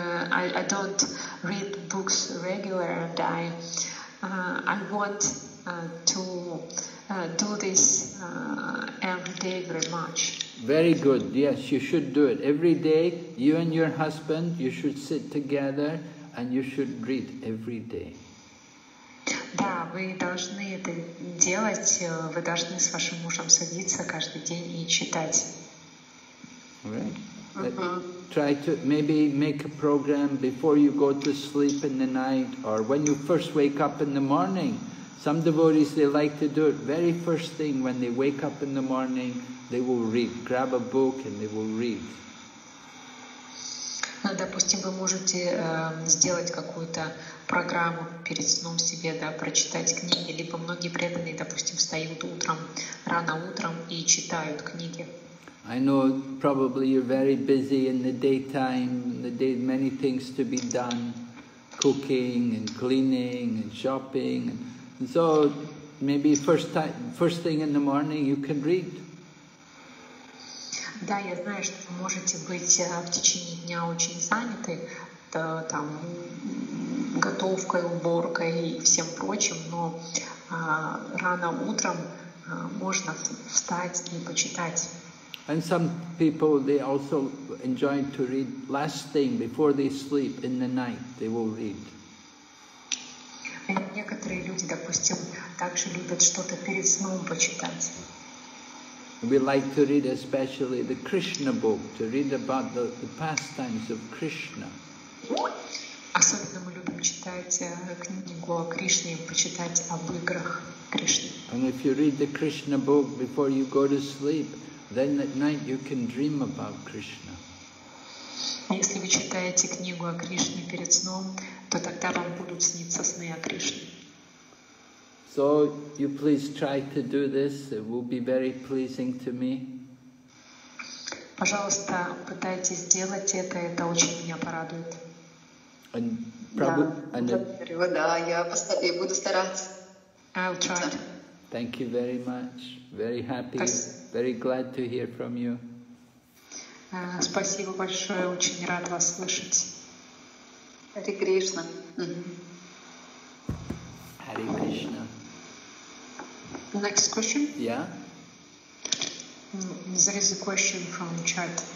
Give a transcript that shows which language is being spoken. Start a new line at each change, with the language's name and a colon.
English: I don't read books regular, and I want to do this every day very much. Very good. Yes, you should do it every day. You and your husband, you should sit together and you should read every day.
Russian: Да, вы должны это делать, вы должны с вашим мужем садиться каждый день и читать.
English: Right. Try to maybe make a program before you go to sleep in the night or when you first wake up in the morning. Some devotees, they like to do it very first thing when they wake up in the morning, they will read, grab a book and they will read.
Russian: Допустим, вы можете сделать какую-то программу перед сном себе, да, прочитать книги. Либо многие преданные, допустим, встают утром, рано утром и читают книги.
English: I know probably you're very busy in the daytime, many things to be done, cooking and cleaning and shopping. And so maybe first thing in the morning you can read.
Russian: Да, я знаю, что вы можете быть в течение дня очень заняты, да, там, готовкой, уборкой и всем прочим, но рано утром можно встать и почитать.
English: And some people, they also enjoy to read last thing before they sleep in the night, they will read.
Russian: И некоторые люди, допустим, также любят что-то перед сном почитать.
English: We like to read especially the Krishna book, to read about the pastimes of Krishna.
Russian: Особенно мы любим читать книгу о Кришне, почитать об играх Кришны.
English: And if you read the Krishna book before you go to sleep, then at night you can dream about Krishna.
Russian: Если вы читаете книгу о Кришне перед сном, то тогда вам будут сниться сны о Кришне.
English: So you please try to do this. It will be very pleasing to me.
Russian: Пожалуйста, пытайтесь сделать это. Это очень меня порадует.
English: And
Russian: я буду стараться.
English: I'll try. Thank you very much. Very happy. Very glad to hear from you.
Russian: Спасибо большое, очень рад вас слышать.
English: Hare Krishna. Hare Krishna. Next question? Yeah. There is a question from the chat.